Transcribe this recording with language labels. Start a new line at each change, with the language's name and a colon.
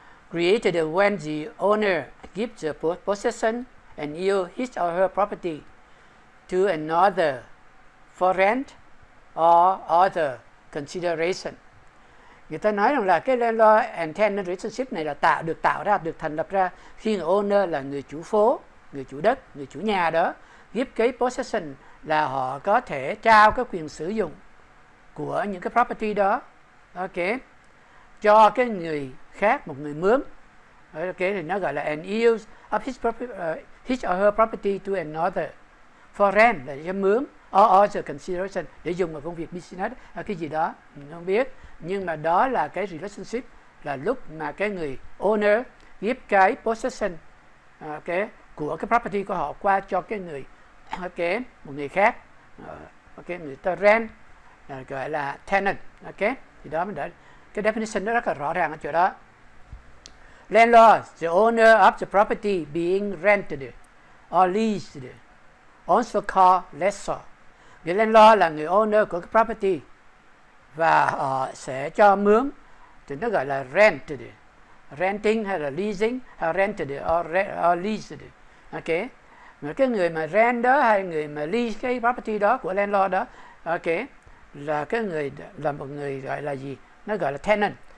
English: Created when the owner gives the possession and yield his or her property to another for rent or other consideration.
Vietnamese: Người ta nói rằng là cái landlord and tenant relationship này là được thành lập ra khi người owner là người chủ phố, người chủ đất, người chủ nhà đó give cái possession, là họ có thể trao cái quyền sử dụng của những cái property đó, ok, cho cái người khác, một người mướn, ok, thì nó gọi là and use of his property, his or her property to another for rent, là cho mướn, or other consideration, để dùng vào công việc business hay cái gì đó mình không biết, nhưng mà đó là cái relationship, là lúc mà cái người owner give cái possession, ok, của cái property của họ qua cho cái người, ok, một người khác, ok, người ta rent, gọi là tenant, ok, thì đó mình đã, cái definition đó rất là rõ ràng ở chỗ đó.
English: Landlord, the owner of the property being rented or leased, also called lessor.
Vietnamese: Người landlord là người owner của cái property và họ sẽ cho mướn, thì nó gọi là rented, renting hay là leasing, hay rented or leased, ok. Mà cái người mà rent đó hay người mà lease cái property đó của landlord đó, ok, là cái người, là một người gọi là gì, nó gọi là tenant.